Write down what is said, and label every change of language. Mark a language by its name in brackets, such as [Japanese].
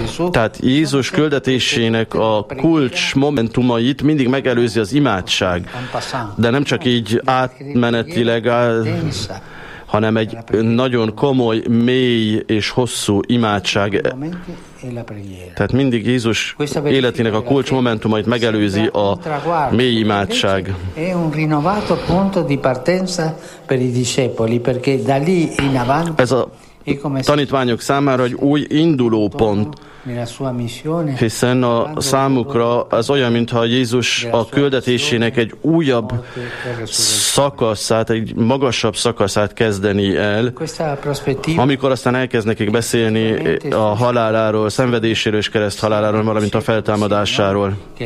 [Hungarian] Tehát Jézus küldetésének a kulcs momentumait mindig megelőzi az imádság. De nem csak így átmenetileg, hanem egy nagyon komoly, mély és hosszú imádság. Tehát mindig Jézus életének a kulcs momentumait megelőzi a mély imádság. [Italian] È un rinnovato punto di partenza per i discepoli, perché da lì in avanti. [Hungarian] Ez a tanítványok számára egy új indulópont, hiszen a számukra az olyan, mintha Jézus a küldetésének egy újabb szakaszát, egy magasabb szakaszát kezdeni el, amikor aztán elkezd nekik beszélni a haláláról, szenvedéséről és kereszt haláláról, valamint a feltámadásáról.